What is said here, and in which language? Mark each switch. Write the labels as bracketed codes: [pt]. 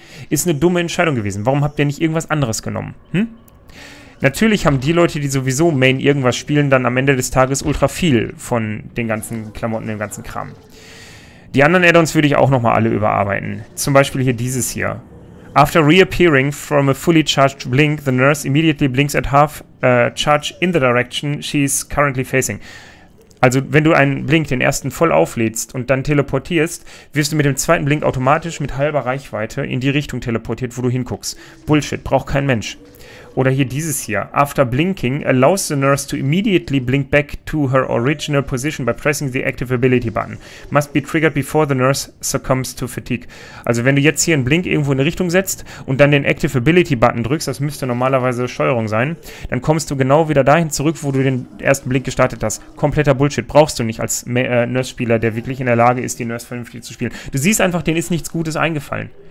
[de] Ist eine dumme Entscheidung gewesen. Warum habt ihr nicht irgendwas anderes genommen? Hm? Natürlich haben die Leute, die sowieso Main irgendwas spielen, dann am Ende des Tages ultra viel von den ganzen Klamotten, dem ganzen Kram. Die anderen Addons würde ich auch nochmal alle überarbeiten. Zum Beispiel hier dieses hier. [en] After reappearing from a fully charged blink, the nurse immediately blinks at half charge in the direction she's currently facing. [de] Also, wenn du einen Blink, den ersten, voll auflädst und dann teleportierst, wirst du mit dem zweiten Blink automatisch mit halber Reichweite in die Richtung teleportiert, wo du hinguckst. Bullshit, braucht kein Mensch. Oder hier dieses hier. [en] After blinking, allows the nurse to immediately blink back to her original position by pressing the active ability button. Must be triggered before the nurse succumbs to fatigue. [de] Also, wenn du jetzt hier einen Blink irgendwo in eine Richtung setzt und dann den active ability button drückst, das müsste normalerweise Steuerung sein, dann kommst du genau wieder dahin zurück, wo du den ersten Blink gestartet hast. Kompletter Bullshit. Brauchst du nicht als Nurse-Spieler, der wirklich in der Lage ist, die Nurse vernünftig zu spielen. Du siehst einfach, denen ist nichts Gutes eingefallen.